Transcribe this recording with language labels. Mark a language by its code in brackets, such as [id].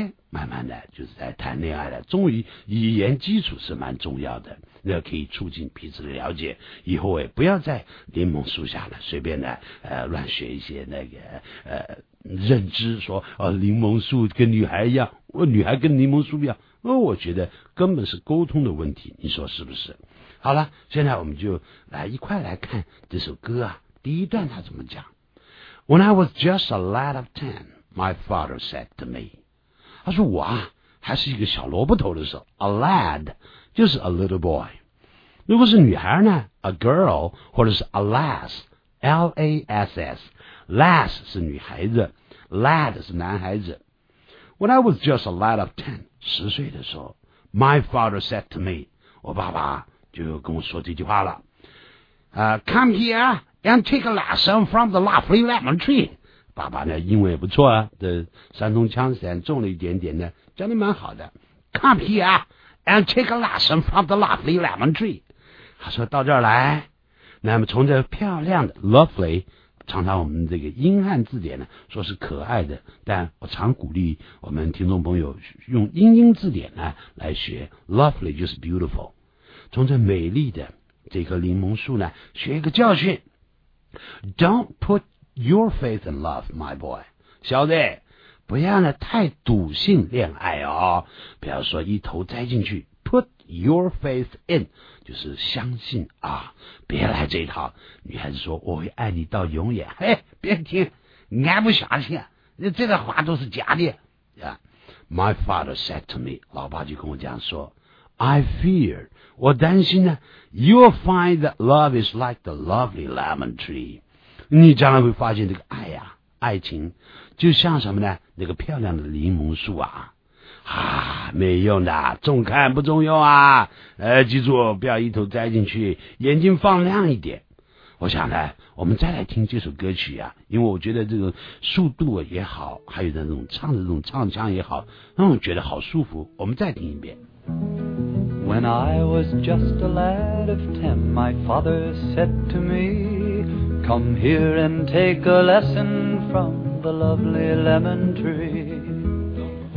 [zh] 慢慢的就是在谈恋爱了，终于语言基础是蛮重要的，那可以促进彼此的了解，以后也不要在柠檬树下了随便的乱学一些那个认知说柠檬树跟女孩一样，女孩跟柠檬树一样，我觉得根本是沟通的问题，你说是不是？好了，现在我们就来一块来看这首歌啊，第一段他怎么讲。 [en] When I was just a lad of 10 My father said to me， [zh] 他说我啊还是一个小萝卜头的时候， [en] A lad [zh] 就是 [en] a little boy， [zh] 如果是女孩呢 [en] A girl [zh] 或者是 [en] a lass L-A-S-S Lass [zh] 是女孩子， [en] Lad [zh] 是男孩子。 [en] When I was just a lad of 10 [zh] 十岁的时候， [en] My father said to me， [zh] 我爸爸就跟我说这句话了， [en] Come here and take a lesson from the lovely lemon tree。 [zh] 爸爸呢英文也不错啊，这山东腔虽然重了一点点呢，讲得蛮好的。 [en] Come here and take a lesson from the lovely lemon tree， [zh] 他说到这儿来，那么从这漂亮的 lovely， 常常我们这个英汉字典呢说是可爱的，但我常鼓励我们听众朋友用英字典呢来学 lovely， 就是 beautiful， 从这美丽的这棵柠檬树呢学一个教训。 [en] Don't put your faith in love my boy， [zh] 小子不要呢太笃信恋爱哦，不要说一头栽进去。 [en] Put your faith in， [zh] 就是相信啊，别来这一套。女孩子说我会爱你到永远，嘿，别听，俺不相信，这个话都是假的。 [en] Yeah. My father said to me， [zh] 老爸就跟我讲说 [en] ，I fear， [zh] 我担心呢 [en] ，You'll find that love is like the lovely lemon tree， [zh] 你将来会发现这个爱呀、啊，爱情就像什么呢？那个漂亮的柠檬树啊，啊，没用的，重看不重用啊！记住，不要一头栽进去，眼睛放亮一点。我想呢，我们再来听这首歌曲啊，因为我觉得这个速度也好，还有那种唱的那种唱腔也好，让我觉得好舒服。我们再听一遍。 [en] When I was just a lad of 10, my father said to me, Come here and take a lesson from the lovely lemon tree.